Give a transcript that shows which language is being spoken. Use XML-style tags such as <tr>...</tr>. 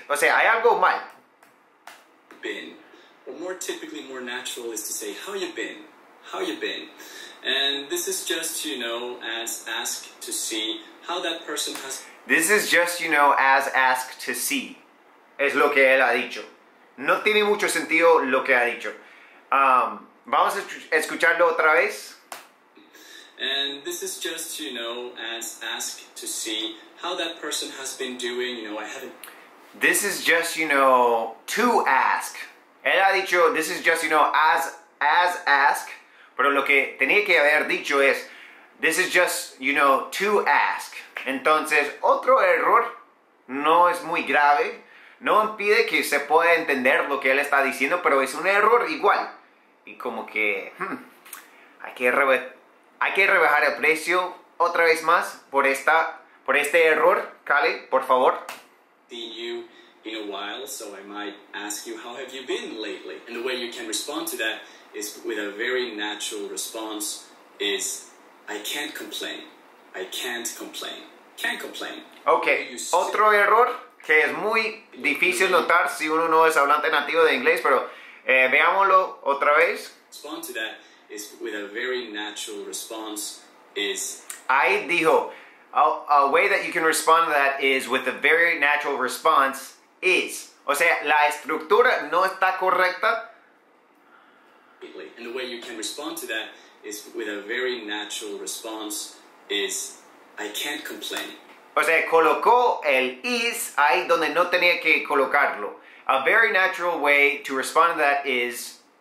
<es>O sea, hay algo mal.</es> <en>Been. Or more typically, more natural is to say, how you been? How you been? And this is just, you know, as ask to see how that person has... This is just, you know, as ask to see.</en> <es>Es lo que él ha dicho. No tiene mucho sentido lo que ha dicho. Vamos a escucharlo otra vez.</es> <en>And this is just, you know, as ask to see how that person has been doing. You know, I haven't... This is just, you know, to ask.</en> <es>Él ha dicho,</es> <en>this is just, you know, as ask.</en> <es>Pero lo que tenía que haber dicho es,</es> <en>this is just, you know, to ask.</en> <es>Entonces, otro error no es muy grave. No impide que se pueda entender lo que él está diciendo, pero es un error igual. Y como que, hay que rebajar el precio otra vez más por este error, Kale, por favor.</es> <en>See you in a while, so I might ask you how have you been lately? And the way you can respond to that is with a very natural response is, I can't complain. I can't complain. Can't complain.</en> <es>Okay, otro error que es muy difícil notar si uno no es hablante nativo de inglés, pero veámoslo otra vez.</es> <en>Respond to that is with a very natural response is...</en> <es>Ahí dijo,</es> <en>a way that you can respond to that is with a very natural response is...</en> <es>O sea, la estructura no está correcta.</es> <en>And the way you can respond to that is with a very natural response is, I can't complain.</en> <es>O sea, colocó el is ahí donde no tenía que colocarlo.</es> <en>A very natural way to respond to that is...</en>